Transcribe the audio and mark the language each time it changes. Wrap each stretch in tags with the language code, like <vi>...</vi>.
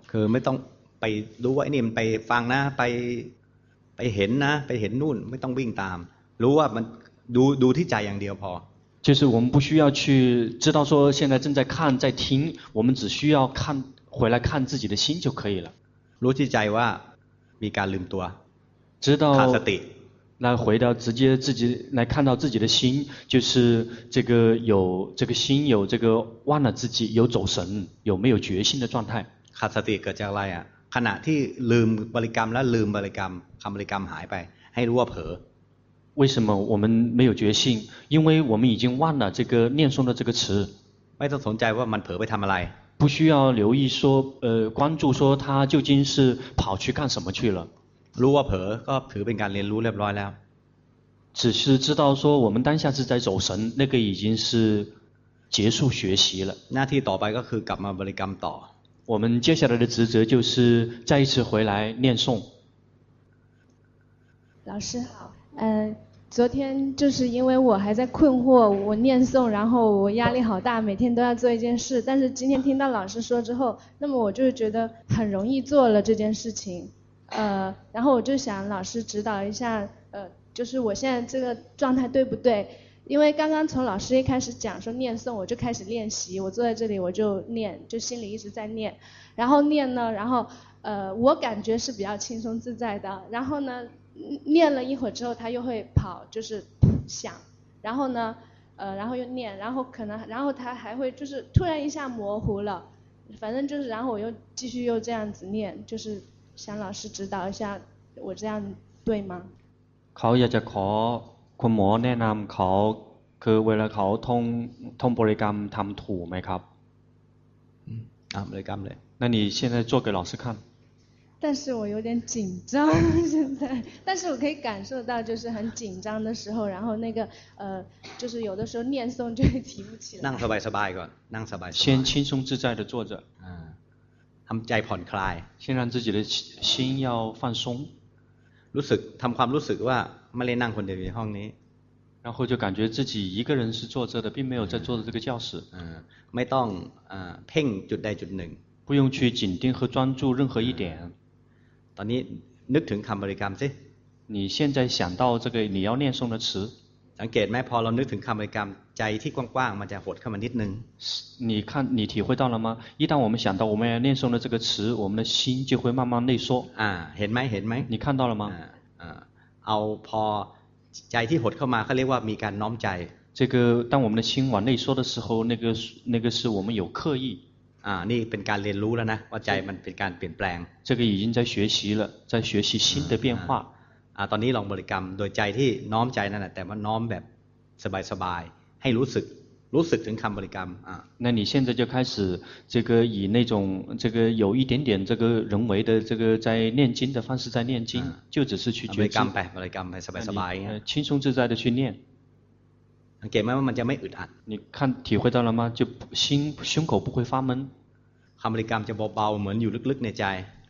<th>คือไม่ต้องไปรู้ว่าไอ้นี่มันไปฟังนะไปเห็นนะไปเห็นนู่นไม่ต้องวิ่งตามรู้ว่ามันดูที่ใจอย่างเดียวพอ</th> <zh>就是我们不需要去知道说现在正在看在听我们只需要看回来看自己的心就可以了</zh> <th>รู้ที่ใจว่ามีการลืมตัว</th> <zh>知道</zh> <th>ขาดสติ</th> <zh>那回到直接自己来看到自己的心就是这个有这个心有这个忘了自己有走神有没有觉性的状态</zh> <th>ขาดสติเกิดจากอะไรอ่ะขณะที่ลืมบริกรรมแล้วลืมบริกรรมคำบริกรรมหายไปให้รู้ว่าเผลอ</th> <zh>为什么我们没有觉性因为我们已经忘了这个念诵的这个词</zh> <th>ไม่ต้องสนใจว่ามันเผลอไปทำอะไร</th> <zh>不需要留意说关注说他究竟是跑去干什么去了</zh> <th>รู้ว่าเผลอก็ถือเป็นการเรียนรู้เรียบร้อยแล้ว</th> <zh>只是知道说我们当下是在走神那个已经是结束学习了</zh> <th>หน้าที่ต่อไปก็คือกลับมาบริกรรมต่อ</th> <zh>我们接下来的职责就是再一次回来念诵老师好昨天就是因为我还在困惑我念诵然后我压力好大每天都要做一件事但是今天听到老师说之后那么我就觉得很容易做了这件事情然后我就想老师指导一下就是我现在这个状态对不对因为刚刚从老师一开始讲说念诵我就开始练习我坐在这里我就念就心里一直在念然后念呢然后我感觉是比较轻松自在的然后呢念了一会儿之后他又会跑就是想然后呢然后又念然后可能然后他还会就是突然一下模糊了反正就是然后我又继续又这样子念就是想老师指导一下我这样对吗</zh> <th>เขาอยากจะขอคุณหมอแนะนำเขาคือเวลาเขาท่องบริกรรมทำถูกไหมครับ บริกรรมเลย</th> <zh>那你现在做给老师看但是我有点紧张现在但是我可以感受到就是很紧张的时候然后那个就是有的时候念诵就会提不起来</zh> <th>นั่งสบายสบายก่อนนั่งสบาย</th> <zh>先轻松自在的坐着</zh> <th>ทำใจผ่อนคลาย</th> <zh>先让自己的心要放松</zh> <th>รู้สึกทำความรู้สึกว่าไม่ได้นั่งคนเดียวในห้องนี้</th> <zh>然后就感觉自己一个人是坐着的并没有在坐着这个教室</zh> <th>ไม่ต้องเพ่งจุดใดจุดหนึ่ง</th> <zh>不用去紧盯和专注任何一点</zh> <th>ตอนนี้นึกถึงคำบริกรรมสิ</th> <zh>你现在想到这个你要念诵的词</zh> <th>สังเกตไหมพอเรานึกถึงคำบริกรรมใจที่กว้างๆมันจะหดเข้ามานิดนึง</th> <zh>你看你体会到了吗一旦我们想到我们要念诵的这个词我们的心就会慢慢内缩</zh> <th>เห็นไหมเห็นไหม</th> <zh>你看到了吗</zh> <th>เอาพอใจที่หดเข้ามาเขาเรียกว่ามีการน้อมใจ</th> <zh>这个当我们的心往内缩的时候那个是我们有刻意</zh> <th>นี่เป็นการเรียนรู้แล้วนะว่าใจมันเป็นการเปลี่ยนแปลง</th> <zh>这个已经在学习了在学习新的变化</zh> <th>ตอนนี้ลองบริกรรมโดยใจที่น้อมใจนั่นแหละแต่ว่าน้อมแบบสบายๆให้รู้สึกู้สึกถึงคำบริกรรม啊</th> <zh>那你现在就开始这个以那种这个有一点点这个人为的这个在念经的方式在念经就只是去觉知</zh> <th>บริกรรมไปสบายสบาย</th> <zh>轻松自在的去念</zh> <th>เก็บไหมว่ามันจะไม่อึดอัด</th> <zh>你看体会到了吗就心胸口不会发闷</zh> <th>คำบริกรรมจะเบาๆเหมือนอยู่ลึกๆในใจ</th>